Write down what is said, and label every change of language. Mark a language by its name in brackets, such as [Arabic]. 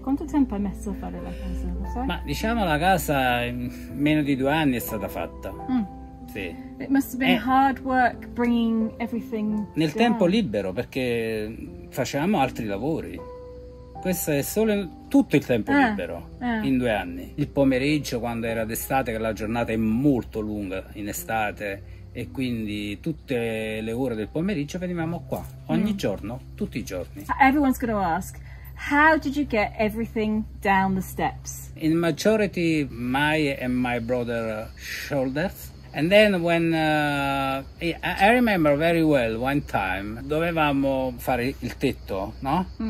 [Italian] Quanto tempo hai messo a fare la casa? [English] Sorry? [Italian] Ma diciamo la casa in meno di 2 anni è stata fatta. Sì. [English] It must have been hard work bringing everything [Italian] nel down. Tempo libero, perché facevamo altri lavori. Questo è solo tutto il tempo libero in 2 anni. Il pomeriggio, quando era d'estate, che la giornata è molto lunga in estate, e quindi tutte le ore del pomeriggio venivamo qua ogni giorno, tutti i giorni. [English] Everyone's going to ask, how did you get everything down the steps? In majority, my and my brother's shoulders. And then when I remember very well one time, [Italian] dovevamo fare il tetto, no?